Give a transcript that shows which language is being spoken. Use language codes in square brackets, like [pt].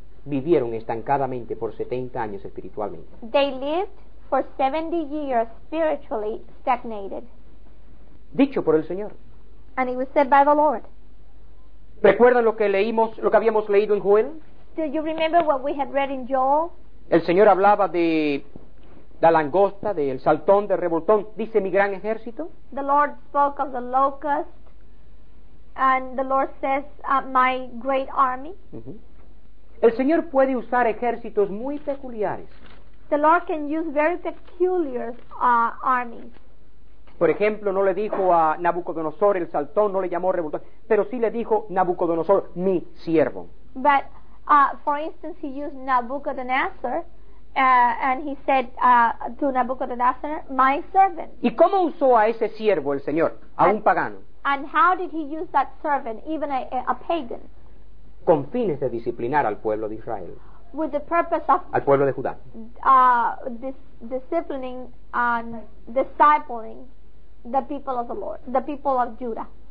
[es] Vivieron estancadamente por 70 años espiritualmente. [en] They lived for 70 years spiritually stagnated. [es] Dicho por el Señor. [en] And it was said by the Lord. [es] ¿Recuerdan lo que habíamos leído en Joel? [en] Do you remember what we had read in Joel? [es] El Señor hablaba de la langosta, del saltón, del revoltón, dice mi gran ejército. [en] The Lord spoke of the locust, and the Lord says, my great army. [es] El Señor puede usar ejércitos muy peculiares. [en] The Lord can use very peculiar armies. [es] Por ejemplo, no le dijo a Nabucodonosor el saltón, no le llamó revoltón, pero sí le dijo Nabucodonosor, mi siervo. [en] But, for instance, he used Nabucodonosor. And he said to Nabucodonosor, my servant. [es] ¿Y cómo usó a ese siervo el Señor, un pagano? [en] And how did he use that servant, even a pagan? [es] Con fines de disciplinar al pueblo de Israel. [en] With the purpose of [es] al pueblo de Judá. [en] Disciplining and discipling the people of the Lord, the people of Judah.